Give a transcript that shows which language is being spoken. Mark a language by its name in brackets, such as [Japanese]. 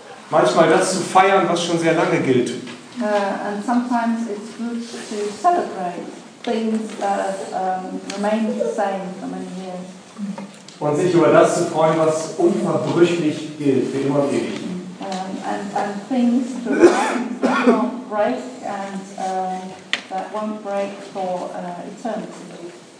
[German] Manchmal das zu feiern, was schon sehr lange gilt. [English] And sometimes it's good to celebrate things that remain the same for many years. [German] Und sich über das zu freuen, was unverbrüchlich gilt, für immer und ewig. [English] And things to remain that won't break and that won't break for eternity.